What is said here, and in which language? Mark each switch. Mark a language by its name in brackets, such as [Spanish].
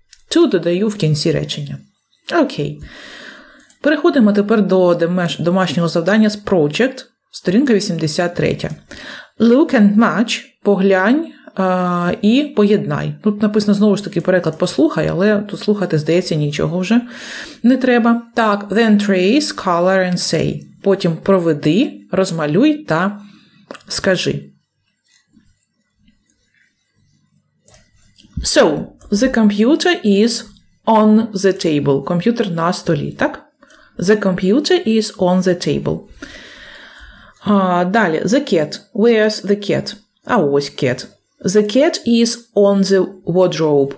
[Ukrainian] To додаю в кінці речення. Окей. Переходимо тепер до домашнього завдання з Project, сторінка 83. [English] Look and match – [Ukrainian] поглянь і поєднай. Тут написано знову ж таки переклад «послухай», але тут слухати, здається, нічого вже не треба. Так, [English] then trace, color and say. [Ukrainian] Потім проведи, розмалюй та скажи. [English] So, the computer is on the table. [Ukrainian] Комп'ютер на столі, так? [English] The computer is on the table. [Ukrainian] Далі. [English] The cat. Where's the cat? [Ukrainian] А ось [English] cat. The cat is on the wardrobe.